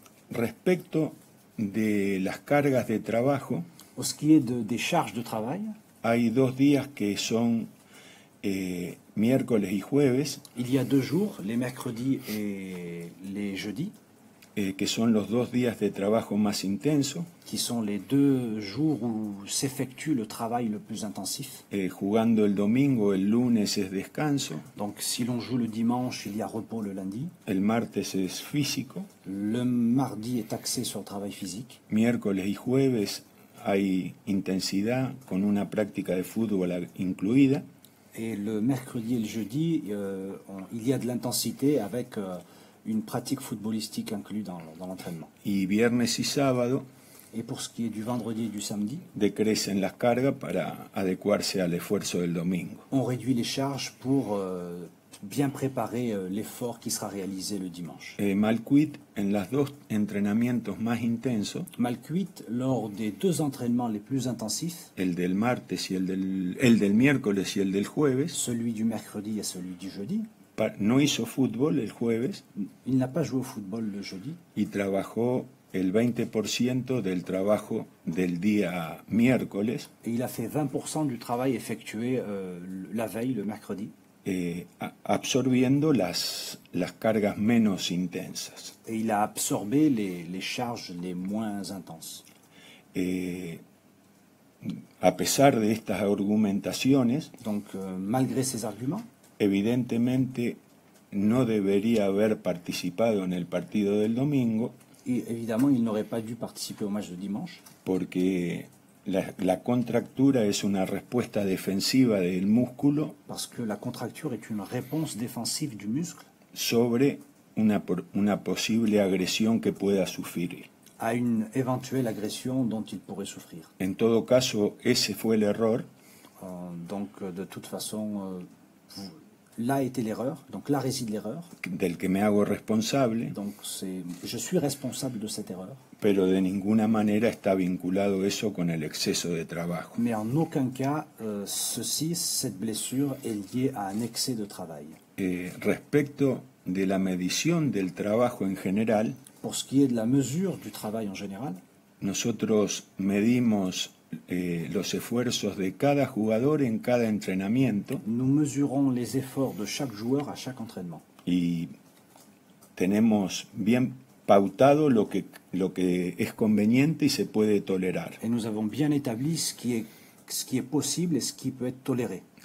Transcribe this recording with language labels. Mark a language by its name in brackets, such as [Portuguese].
[Spanish] Respecto de las cargas de trabajo, [French] Pour ce qui est des charges de travail, [Spanish] hay 2 días que son miércoles y jueves, [French] il y a 2 jours, les mercredis et les jeudis. [Spanish] que son los 2 días de trabajo más intenso, [French] Qui sont les 2 jours où s'effectue le travail le plus intensif. [Spanish] jugando el domingo, el lunes es descanso, [French] Donc, si l'on joue le dimanche, il y a repos le lundi. [Spanish] el martes es físico, [French] Le mardi est axé sur le travail physique. [Spanish] miércoles y jueves hay intensidad con una práctica de fútbol incluida, [French] Et le mercredi et le jeudi, il y a de l'intensité avec une pratique footballistique inclue dans l'entraînement. [Spanish] Y viernes y sábado [French] Et pour ce qui est du vendredi et du samedi, [Spanish] decrecen las cargas para adecuarse al esfuerzo del domingo. [French] On réduit les charges pour bien préparer l'effort qui sera réalisé le dimanche. [Spanish] Et mal cuite en las dos entrenamientos más intensos. [French] Mal cuite lors des deux entraînements les plus intensifs. [Spanish] El del martes y el del miércoles y el del jueves. [French] Celui du mercredi et celui du jeudi. [Spanish] No hizo fútbol el jueves. [French] Il n'a pas joué au football le jeudi. [Spanish] Y trabajó el 20% del trabajo del día miércoles. [French] Et il a fait 20% du travail effectué la veille le mercredi. [Spanish] Absorbiendo las cargas menos intensas. [French] Et il a absorbé les charges les moins intenses. [Spanish] A pesar de estas argumentaciones, [French] donc malgré ces arguments, [Spanish] evidentemente no debería haber participado en el partido del domingo. [French] Et évidemment, il n'aurait pas dû participer au match de dimanche. [Spanish] Porque la contractura es una respuesta defensiva del músculo. [French] Parce que la contracture est une réponse défensive du muscle. [Spanish] Sobre una posible agresión que pueda sufrir. [French] À une éventuelle agression dont il pourrait souffrir. [Spanish] En todo caso, ese fue el error. [French] Donc, de toute façon, là était l'erreur. Donc là réside l'erreur. [Spanish] Del que me hago responsable. [French] Donc, je suis responsable de cette erreur. [Spanish] Pero de ninguna manera está vinculado eso con el exceso de trabajo. [French] Mais en aucun cas, cette blessure est liée à un excès de travail. [Spanish] Respecto de la medición del trabajo en general. [French] Pour ce qui est de la mesure du travail en général. [Spanish] Nosotros medimos los esfuerzos de cada jugador en cada entrenamiento. [French] Nous mesurons les efforts de chaque joueur à chaque entraînement. [Spanish] Y tenemos bien pautado lo que es conveniente y se puede tolerar. [French] Et nous avons bien établi ce qui est possible et ce qui peut être toléré.